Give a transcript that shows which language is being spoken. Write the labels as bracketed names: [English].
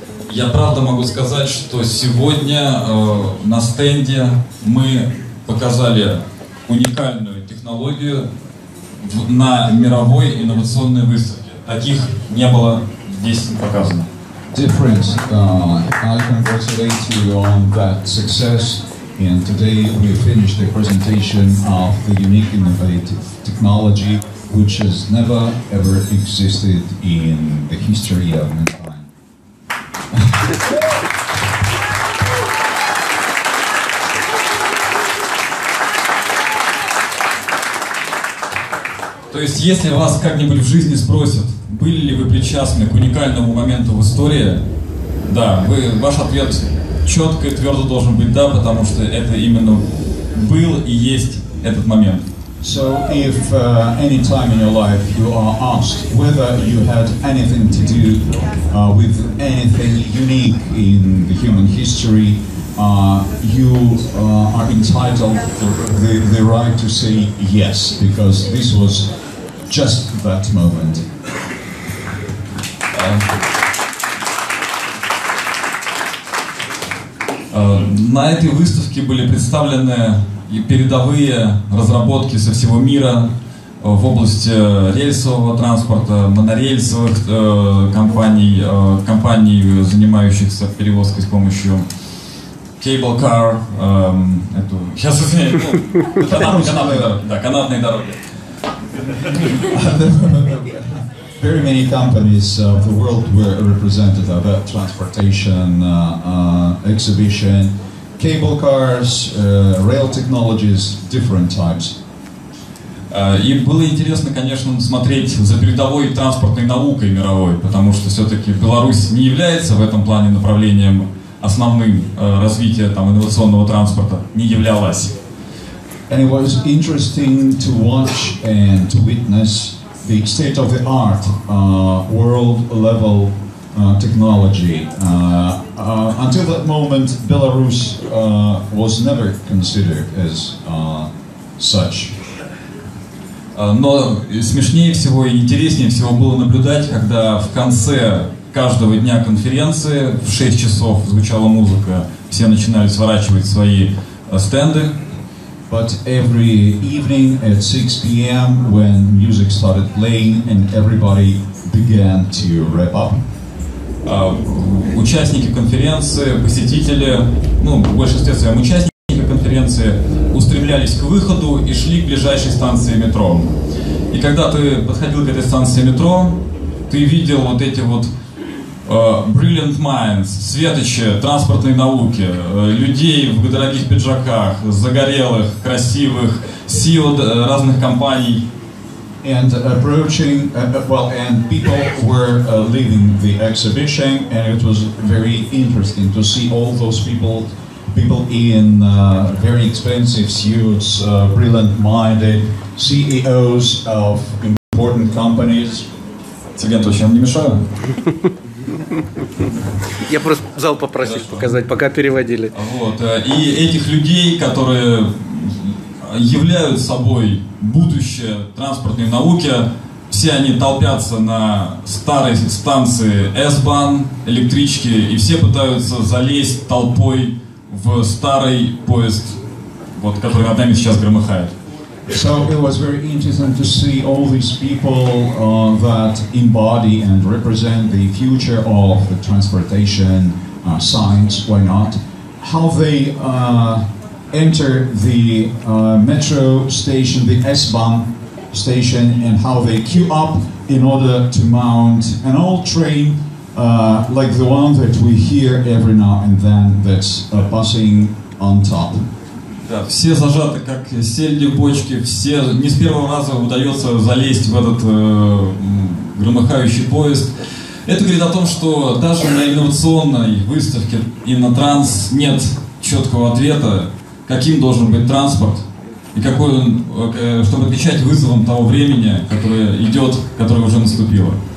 [Russian] Я правда могу сказать, что сегодня на стенде мы показали уникальную технологию на мировой инновационной выставке. Таких не было здесь показано. [English] Different. I congratulate you on that success. And today we finished the presentation of the unique innovative technology, which has never ever existed in the history of mankind. [Russian] То есть, если вас как-нибудь в жизни спросят, были ли вы причастны к уникальному моменту в истории, да, ваш ответ четко и твердо должен быть «да», потому что это именно был и есть этот момент. [English] So if any time in your life you are asked whether you had anything to do with anything unique in the human history, you are entitled the right to say yes, because this was just that moment. [Russian] На этой выставке были представлены передовые разработки со всего мира в области рельсового транспорта, монорельсовых компаний, компаний, занимающихся перевозкой с помощью cable car, канатные дороги. [English] Very many companies of the world were represented at that transportation exhibition. Cable cars, rail technologies, different types. [Russian] И было интересно, конечно, смотреть за передовой транспортной наукой мировой, потому что все-таки Беларусь не является в этом плане направлением основным развития там инновационного транспорта, не являлась. [English] And it was interesting to watch and to witness the state-of-the-art world-level technology. Until that moment, Belarus was never considered as such. [Russian] Но смешнее всего и интереснее всего было наблюдать, когда в конце каждого дня конференции в 6 часов звучала музыка, все начинали сворачивать свои стенды. [English] But every evening at 6 p.m. when music started playing and everybody began to wrap up. [Russian] Участники конференции, посетители, ну, в большинстве своем участники конференции устремлялись к выходу и шли к ближайшей станции метро. И когда ты подходил к этой станции метро, ты видел вот эти вот [English] brilliant minds, [Russian] светочи транспортной науки, людей в дорогих пиджаках, загорелых, красивых, CEO разных компаний. [English] And approaching, well, and people were leaving the exhibition, and it was very interesting to see all those people, people in very expensive suits, brilliant minded, CEOs of important companies. [Russian] Цыгенту, чем не мешаю? Я просто зал попросить да, показать, пока переводили. Вот, и этих людей, которые являют собой будущее транспортной науки, все они толпятся на старой станции S-Bahn, электрички, и все пытаются залезть толпой в старый поезд, вот, который над нами сейчас громыхает. [English] So it was very interesting to see all these people that embody and represent the future of the transportation science, why not, how they enter the metro station, the S-Bahn station, and how they queue up in order to mount an old train like the one that we hear every now and then that's passing on top. [Russian] Да, все зажаты, как сельди в бочке, все не с первого раза удается залезть в этот громыхающий поезд. Это говорит о том, что даже на инновационной выставке «Иннотранс» нет четкого ответа, каким должен быть транспорт, и какой он, чтобы отвечать вызовам того времени, которое идет, которое уже наступило.